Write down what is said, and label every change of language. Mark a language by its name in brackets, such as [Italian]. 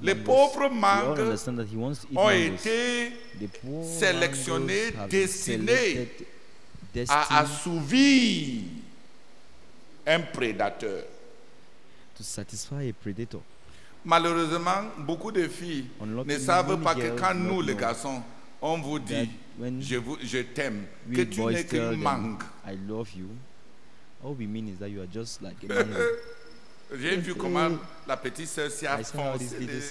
[French] Les pauvres mangues ont été sélectionnés, destinés à assouvir un prédateur. [English] To satisfy a predator. [French] Malheureusement, beaucoup de filles ne savent pas que quand nous, les garçons, on vous dit je t'aime, que tu n'es qu'une mangue. [English] I love you. All we mean is that you are just like a [French] j'ai vu comment la petite sœur s'y a foncé.